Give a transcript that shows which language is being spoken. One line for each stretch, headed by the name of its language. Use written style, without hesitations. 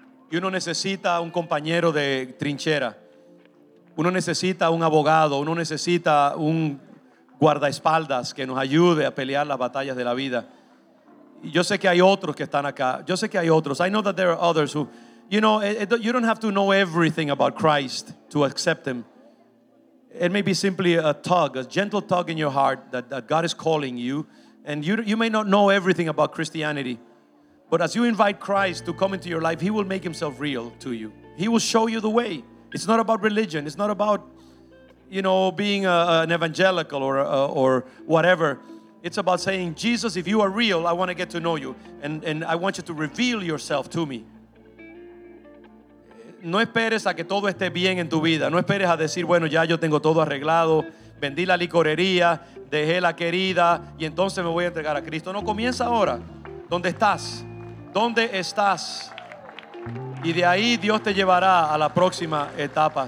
Spanish: Y uno necesita un compañero de trinchera. Uno necesita un abogado, uno necesita un guardaespaldas que nos ayude a pelear las batallas de la vida. Y yo sé que hay otros que están acá. Yo sé que hay otros.
English: I know that there are others who, you know, you don't have to know everything about Christ to accept him. It may be simply a tug, a gentle tug in your heart that God is calling you. And you may not know everything about Christianity. But as you invite Christ to come into your life, he will make himself real to you. He will show you the way. It's not about religion. It's not about, you know, being an evangelical or whatever. It's about saying, Jesus, if you are real, I want to get to know you. And I want you to reveal yourself to me.
Spanish: No esperes a que todo esté bien en tu vida. No esperes a decir, bueno, ya yo tengo todo arreglado. Vendí la licorería, dejé la querida y entonces me voy a entregar a Cristo. No, comienza ahora. ¿Dónde estás? ¿Dónde estás? Y de ahí Dios te llevará a la próxima etapa.